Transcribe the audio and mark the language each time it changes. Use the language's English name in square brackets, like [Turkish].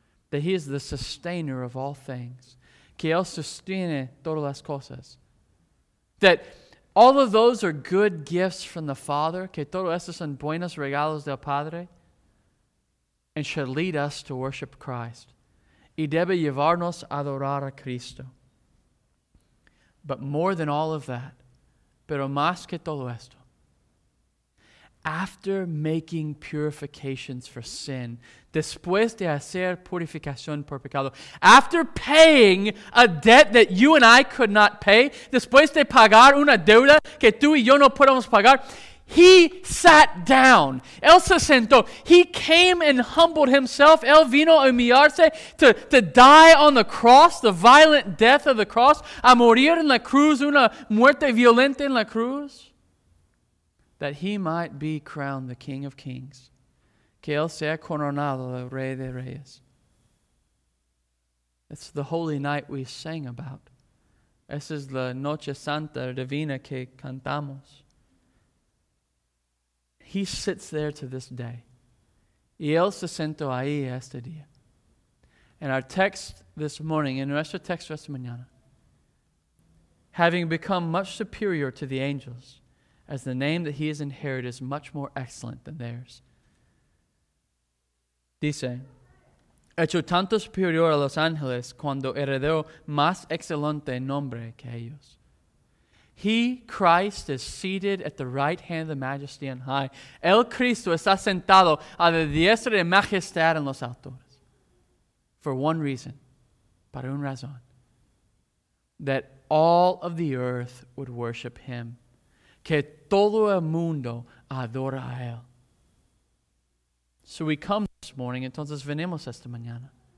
[English] That he is the sustainer of all things. [Spanish] Que él sostiene todas las cosas. [English] That all of those are good gifts from the Father. [Spanish] Que todos estos son buenos regalos del Padre. [English] And should lead us to worship Christ. [Spanish] Y debe llevarnos a adorar a Cristo. [English] But more than all of that, [Spanish] pero más que todo esto, [English] after making purifications for sin, [Spanish] después de hacer purificación por pecado, [English] after paying a debt that you and I could not pay, [Spanish] después de pagar una deuda que tú y yo no podemos pagar, [English] he sat down. [Spanish] Él se sentó. [English] He came and humbled himself. [Spanish] Él vino a humillarse [English] to die on the cross, the violent death of the cross, [Spanish] a morir en la cruz, una muerte violenta en la cruz. [English] That he might be crowned the King of Kings. [Spanish] Que él sea coronado el Rey de Reyes. [English] It's the holy night we sang about. [Spanish] Esa es la noche santa divina que cantamos. [English] He sits there to this day. [Spanish] Y él se sentó ahí este día. [English] And our text this morning, in [Spanish] nuestro texto esta mañana, [English] having become much superior to the angels, as the name that he has inherited is much more excellent than theirs. [Spanish] Dice, hecho tanto superior a los ángeles cuando heredó más excelente nombre que ellos. [English] He, Christ, is seated at the right hand of the majesty on high. [Spanish] El Cristo está sentado a la diestra de majestad en los altos. [English] For one reason, [Spanish] para una razón, [English] that all of the earth would worship him. [Spanish] Que todo el mundo adora a él. [English] So we come this morning, [Spanish] entonces venimos esta mañana.